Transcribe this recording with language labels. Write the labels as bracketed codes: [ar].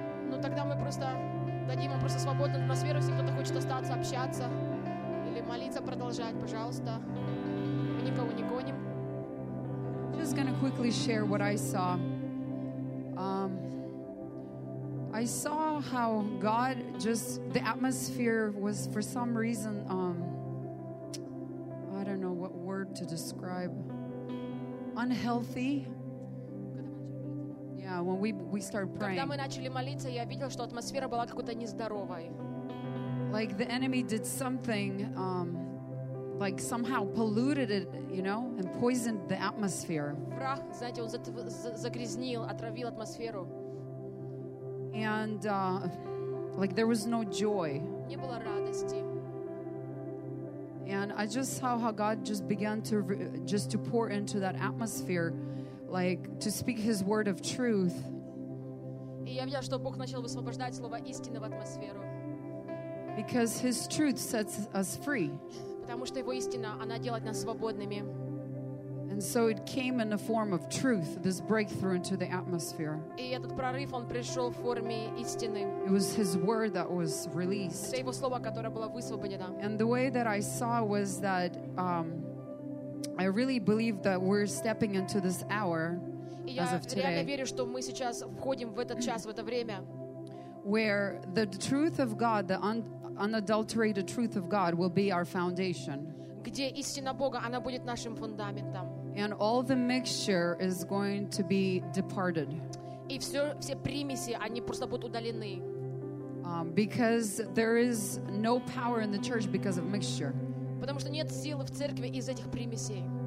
[ru] Ну, тогда мы просто дадим им просто свободную атмосферу, если кто-то хочет остаться, общаться, или молиться, продолжать, пожалуйста. Мы никого не гоним. [en] Just going to quickly share what I saw. I saw how God just, the atmosphere was for some reason, I don't know what word to describe, unhealthy. Yeah, when we started praying. [ru] Когда мы начали молиться, я видел, что атмосфера была какой-то нездоровой. [en] Like the enemy did something, like somehow polluted it, you know, and poisoned the atmosphere. [ru] Враг, знаете, он загрязнил, отравил атмосферу. [en] And like there was no joy. [ru] Не было радости. [en] And I just saw how God just began to to pour into that atmosphere, like to speak His word of truth. [ru] И я видел, что Бог начал высвобождать слово истины в атмосферу. [en] Because His truth sets us free. [ru] Потому что его истина, она делает нас свободными. [en] And so it came in the form of truth, this breakthrough into the atmosphere. [ru] И этот прорыв, он пришел в форме истины. [en] It was his word that was released. [ru] Это его слово, которое было высвобождено. [en] And the way that I saw was that I really believe that we're stepping into this hour as of today. [ru] И я реально верю, что мы сейчас входим в этот час, в это время. [en] Where the truth of God, the unadulterated truth of God, will be our foundation. [ru] Где истина Бога, она будет нашим фундаментом. [en] And all the mixture is going to be departed. [ru] И все примеси, они просто будут удалены. [en] Because there is no power in the church because of mixture. [ru] Потому что нет силы в церкви из-за этих примесей.